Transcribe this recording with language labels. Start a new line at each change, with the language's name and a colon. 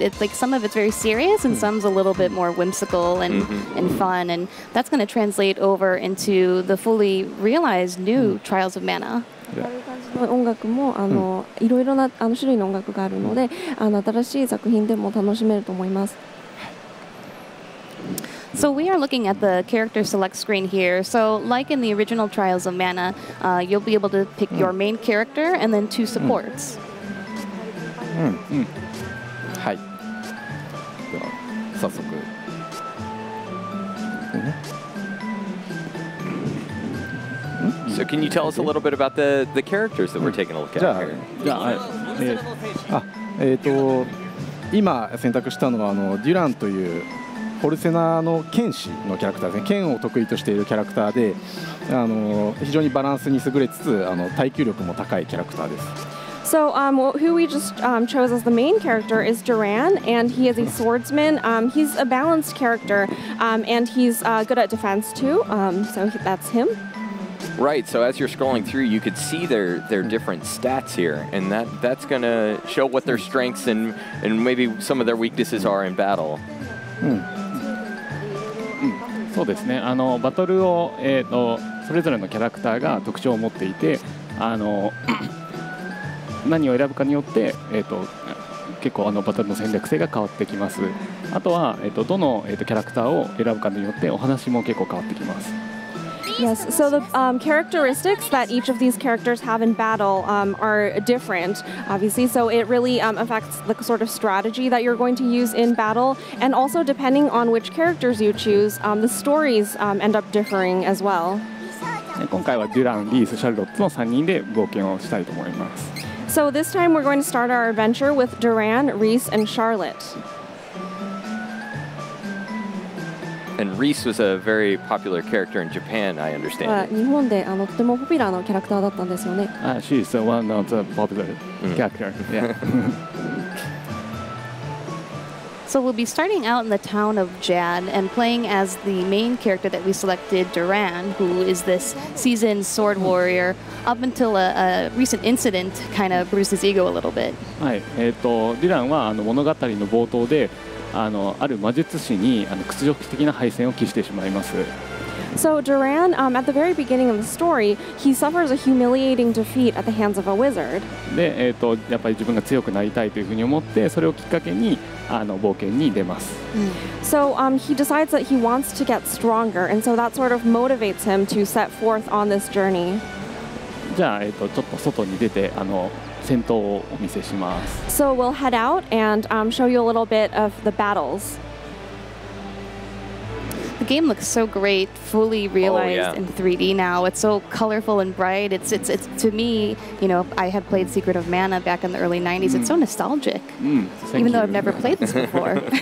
English: It's like some of it's very serious and some's a little bit more whimsical and, and fun. And that's going to translate over into the fully realized new Trials of Mana.
Japanese: の音楽もあの、うん、いろいろなあの種類の音楽があるのであの新しい作品でも楽しめると思います。
English: So we are looking at the character select screen here. So like in the original Trials of Mana,、you'll be able to pick your main character and then two supports.
Japanese: はい。では早速。
English: So can you tell us a little bit about the characters that we're taking a look at here? Yeah.
Japanese: 今選択したのはあのデュランというホルセナの剣士のキャラクターですね。剣を得意としているキャラクターで、あの非常にバランスに優れつつあの耐久力も高いキャラクターです。
English: So, who we just chose as the main character is Duran, and he is a swordsman. He's a balanced character, and he's good at defense too. So that's him. Right, so as you're scrolling through, you could see their different stats here, and that's going to show what their strengths and maybe some of their weaknesses are in battle.
Japanese: そうですね、あのバトルを、それぞれのキャラクターが特徴を持っていて、あの何を選ぶかによって、結構あのバトルの戦略性が変わってきます。あとは、どの、キャラクターを選ぶかによってお話も結構変わってきます。
English: Yes, so the characteristics that each of these characters have in battle are different, obviously, so it really affects the sort of strategy that you're going to use in battle, and also depending on which characters you choose, the stories end up differing as well.
Japanese: 今回はデュラン、リース、シャルロットの3人で冒険をしたいと思います。
English: So this time we're going to start our adventure with Duran, Reese, and Charlotte. And Reese was a very popular character in Japan, I understand.
Japanese: 日本であのとてもポピュラーのキャラクターだったんですよね。
English: She's the one of the popular character. So we'll be starting out in the town of Jad and playing as the main character that we selected, Duran, who is this seasoned sword warrior, up until a recent incident kind of bruised his ego a little bit.
Japanese: はい、ディランはあの物語の冒頭で、あの、ある魔術師に、あの、屈辱的な敗戦を喫してしまいます。
English: So Duran, at the very beginning of the story, he suffers a humiliating defeat at the hands of a wizard.
Japanese: で、やっぱり自分が強くなりたいというふうに思って、それをきっかけに、あの、冒険に出ます。
English: So, he decides that he wants to get stronger, and so that sort of motivates him to set forth on this journey.
Japanese: じゃあ、ちょっと外に出て、あの、戦闘をお見せします。
English: So we'll head out and show you a little bit of the battles. The game looks so great, fully realized in 3D now. It's so colorful and bright. It's to me, you know, I have played Secret of Mana back in the early 90s. It's so nostalgic, even though I've never played this before.